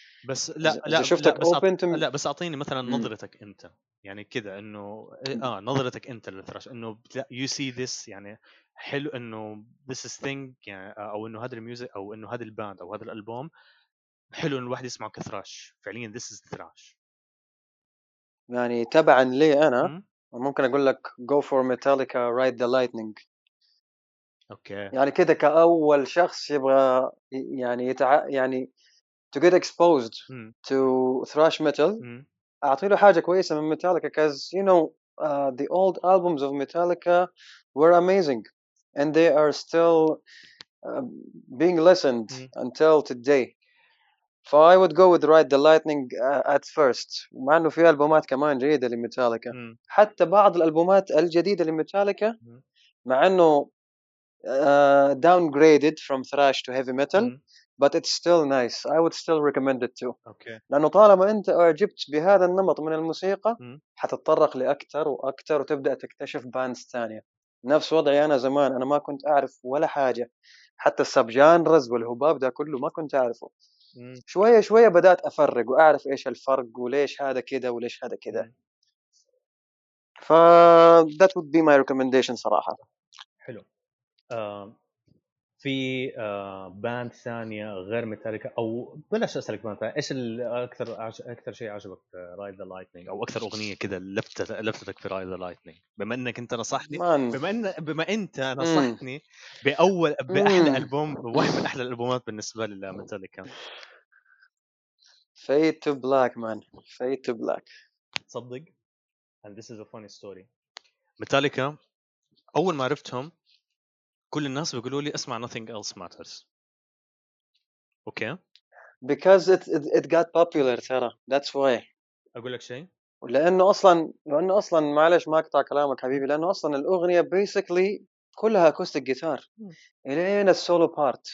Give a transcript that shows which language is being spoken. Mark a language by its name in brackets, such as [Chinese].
[Arabic] بس لا إذا شفتك لا بس لا بس أعطيني مثلا نظرتك أنت يعني كذا أنه نظرتك أنت للثراش أنه [English] you see this [Arabic] يعني حلو أنه [English] this is thing [Arabic] يعني أو أنه هذا الميوزك أو أنه هذا الباند أو هذا الألبوم حلو أن الواحد يسمعه كثراش فعليا [English] this is thrash. [Arabic] يعني تبعا لي أنا ممكن اقول لك [English] go for [Arabic] Metallica ride the lightning. اوكي يعني كده كاول شخص يبغى يعني يعني [English] to get exposed to thrash metal [Arabic] اعطي له حاجه كويسه من [English] Metallica because you know the old albums of Metallica were amazing and they are still being listened until today. So I would go with Ride the Lightning at first. [Arabic] مع أنه في ألبومات كمان جيدة لميتاليكا. حتى بعض الألبومات الجديدة لميتاليكا مع أنه [English] downgraded from thrash to heavy metal but it's still nice. I would still recommend it too. Okay. [Arabic] لأنه طالما أنت أعجبت بهذا النمط من الموسيقى حتتطرق لأكثر وأكثر وتبدأ تكتشف باندز ثانية. نفس وضعي أنا زمان، أنا ما كنت أعرف ولا حاجة، حتى السب جانرز والهباب ده كله ما كنت أعرفه. شوية شوية بدأت أفرق وأعرف إيش الفرق وليش هذا كده وليش هذا كده. فا [English] that would be my recommendation [Arabic] صراحة. حلو. في باند ثانية غير ميتاليكا أو بلاش أسألك باند ثانية، إيش الأكثر أكثر شيء عجبك Ride the Lightning أو أكثر أغنية كده لفتتك في Ride the Lightning؟ بما إنك أنت نصحتني بما أنت نصحتني بأول بأحلى ألبوم، واحد من أحلى الألبومات بالنسبة لميتاليكا. [English] Fade to Black man. Fade to Black. [Arabic] صدق. [English] And this is a funny story. [Arabic] ميتاليكا أول ما عرفتهم كل الناس بيقولوا لي اسمع Nothing Else Matters. اوكي [English] because it got popular [Arabic] ترى [English] that's why. [Arabic] اقول لك شيء، لانه اصلا معلش ما اقطع كلامك حبيبي، لانه اصلا الاغنيه basically كلها اكوستيك جيتار الين السولو بارت.